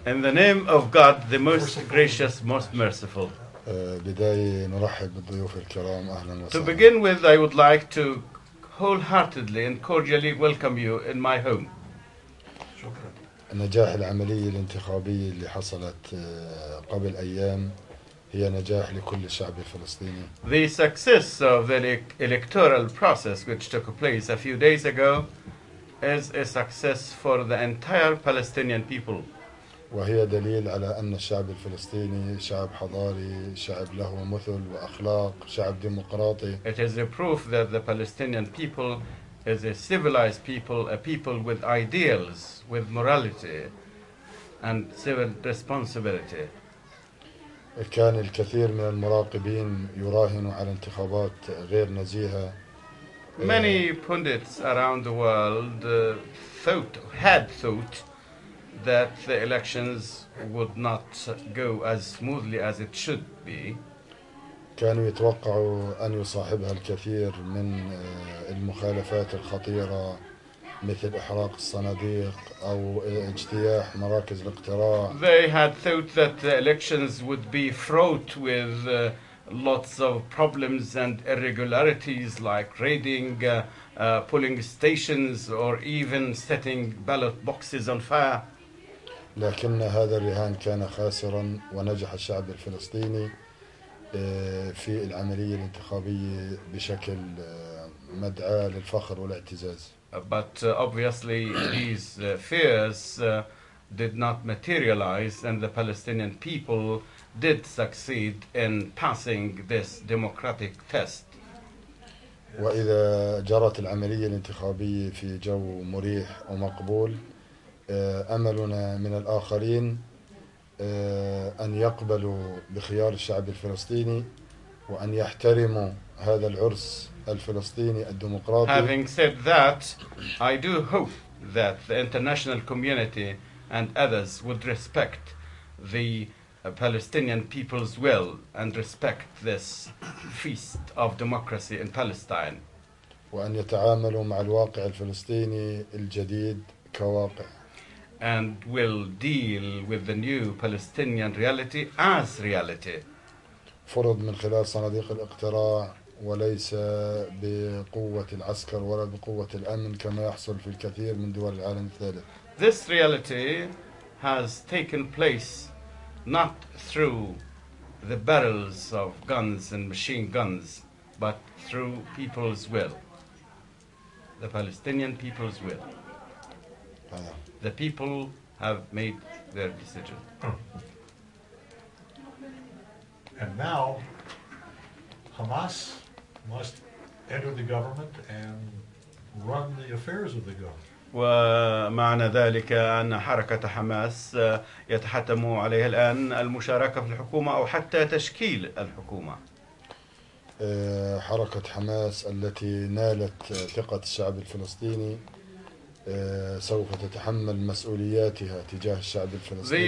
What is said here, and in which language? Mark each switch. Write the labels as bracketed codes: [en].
[en] In the name of God, the most gracious, most merciful. [ar] بداية نرحب بالضيوف الكرام أهلا وسهلا. [en] To begin with, I would like to wholeheartedly and cordially welcome you in my home. [ar] شكرا. نجاح العملية الانتخابية اللي حصلت قبل أيام هي نجاح لكل الشعب الفلسطيني. [en] The success of the electoral process which took place a few days ago is a success for the entire Palestinian people. [ar] وهي دليل على أن الشعب الفلسطيني شعب حضاري، شعب له مثل وأخلاق، شعب ديمقراطي. [en] It is a proof that the Palestinian people is a civilized people, a people with ideals, with morality and civil responsibility. [ar] كان الكثير من المراقبين يراهنوا على انتخابات غير نزيهة. [en] Many pundits around the world had thought that the elections would not go as smoothly as it should be. [ar] كانوا يتوقعوا أن يصاحبها الكثير من المخالفات الخطيرة مثل إحراق الصناديق أو اجتياح مراكز الاقتراع. [en] They had thought that the elections would be fraught with lots of problems and irregularities like raiding polling stations or even setting ballot boxes on fire. [ar] لكن هذا الرهان كان خاسرا ونجح الشعب الفلسطيني في العملية الانتخابية بشكل مدعاة للفخر والاعتزاز. [en] But obviously these fears did not materialize and the Palestinian people did succeed in passing this democratic test. [ar] وإذا جرت العملية الانتخابية في جو مريح ومقبول أملنا من الآخرين أن يقبلوا بخيار الشعب الفلسطيني وأن يحترموا هذا العرس الفلسطيني الديمقراطي. [en] Having said that, I do hope that the international community and others would respect the Palestinian people's will and respect this feast of democracy in Palestine. [ar] وأن يتعاملوا مع الواقع الفلسطيني الجديد كواقع. [en] And will deal with the new Palestinian reality as reality. [ar] فرض من خلال صناديق الاقتراع وليس بقوة العسكر ولا بقوة الأمن كما يحصل في الكثير من دول العالم الثالث. [en] This reality has taken place not through the barrels of guns and machine guns, but through people's will. The Palestinian people's will. The people have made their decision. And now, Hamas must enter the government and run the affairs of the government. [ar] ومعنى ذلك أن حركة حماس يتحتم عليها الآن المشاركة في الحكومة أو حتى تشكيل الحكومة. حركة حماس التي نالت ثقة الشعب الفلسطيني سوف تتحمل مسؤولياتها تجاه الشعب الفلسطيني.